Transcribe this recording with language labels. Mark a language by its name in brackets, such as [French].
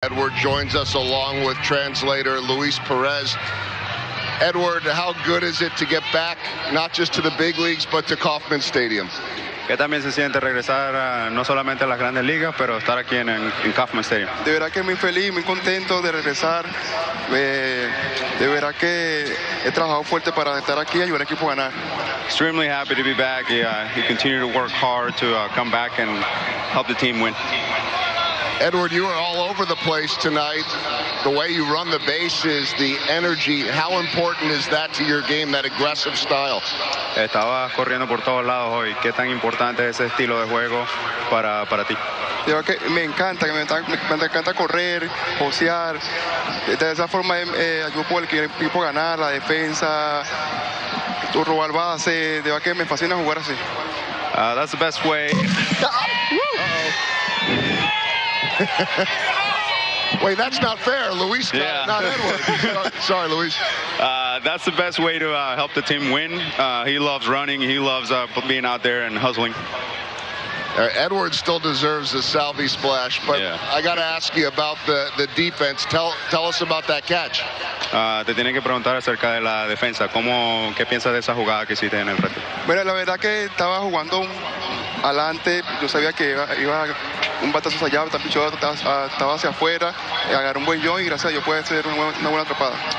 [English] Edward joins us along with translator Luis Perez. Edward, how good is it to get back, not just to the big leagues, but to Kauffman Stadium? [Spanish] Que también se siente regresar no solamente a las grandes ligas, pero estar aquí en Kauffman Stadium. De verdad que muy feliz, muy contento de regresar. De verdad que he trabajado fuerte para estar aquí y ayudar al equipo a ganar. [English] Extremely happy to be back. He continued to work hard to come back and help the team win. Edward, you are all over the place tonight. The way you run the bases, the energy, how important is that to your game, that aggressive style? [Spanish] Estaba corriendo por todos lados hoy. ¿Qué tan importante es ese estilo de juego para ti? Yo que me encanta, me encanta correr, josear. De esa forma ayudo por el equipo a ganar, la defensa, robar base. De verdad que me fascina jugar así. [English] That's the best way. Wait, that's not fair, Luis. Yeah. Not Edward. Sorry, Luis. That's the best way to help the team win. He loves running. He loves being out there and hustling. Edward still deserves a salvy splash, but yeah. I got to ask you about the defense. Tell us about that catch. [Spanish] Te tienen que preguntar acerca de la defensa. ¿Qué piensas de esa jugada que hiciste en el reto? Bueno, la verdad que estaba jugando adelante. Yo sabía que iba un batazo allá, un pichón estaba hacia afuera, agarró un buen yo y gracias a Dios puede ser una buena atrapada.